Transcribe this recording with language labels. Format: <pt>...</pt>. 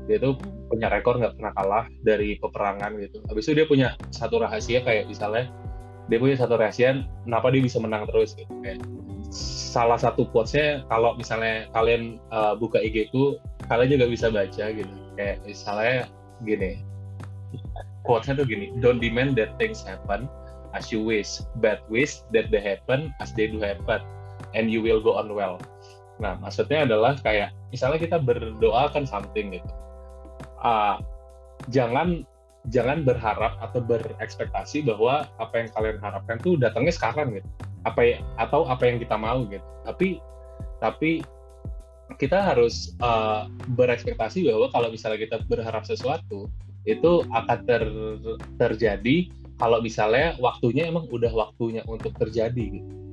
<id>Dia itu punya rekor nggak pernah kalah dari peperangan gitu. Habis itu dia punya satu rahasia, kayak misalnya dia punya satu rahasia kenapa dia bisa menang terus gitu. Kayak salah satu quotes-nya, kalau misalnya kalian buka IG-ku, kalian juga bisa baca gitu. Kayak misalnya gini, quotes-nya tuh gini,</id> <en>"Don't demand that things happen as you wish, but wish that they happen as they do happen, and you will go on well."</en> <id>Nah, maksudnya adalah kayak, misalnya kita berdoa kan something gitu. Jangan berharap atau berekspektasi bahwa apa yang kalian harapkan tuh datangnya sekarang gitu. Apa yang kita mau gitu. Tapi kita harus berekspektasi bahwa kalau misalnya kita berharap sesuatu, itu akan terjadi kalau misalnya waktunya emang udah waktunya untuk terjadi gitu.</id>